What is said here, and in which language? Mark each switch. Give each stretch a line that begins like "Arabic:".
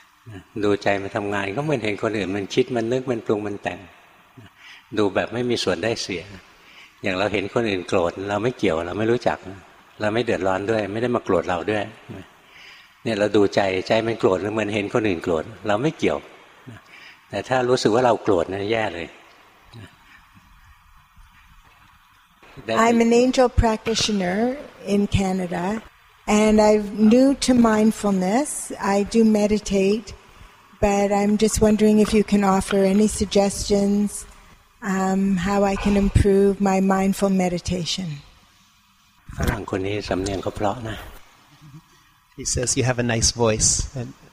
Thai: นะดูใจมันทำงานก็เหมือนเห็นคนอื่นมันคิดมันนึกมันปรุงมันแต่งนะดูแบบไม่มีส่วนได้เสียอย่างเราเห็นคนอื่นโกรธเราไม่เกี่ยวเราไม่รู้จักเราไม่เดือดร้อนด้วยไม่ได้มาโกรธเราด้วยเนี่ยเราดูใจใจมันโกรธหรือมันเห็นคนอื่นโกรธเราไม่เกี่ยวแต่ถ้ารู้สึกว่าเราโกรธนั่นแย่เลย
English: I'm an angel practitioner in Canada and I'm new to mindfulness I do meditate but I'm just wondering if you can offer any suggestions how I can improve my mindful meditation
Thai: ฝรั่งคนนี้สำเนียงเขาเพราะนะ
English: He says you have a nice voice and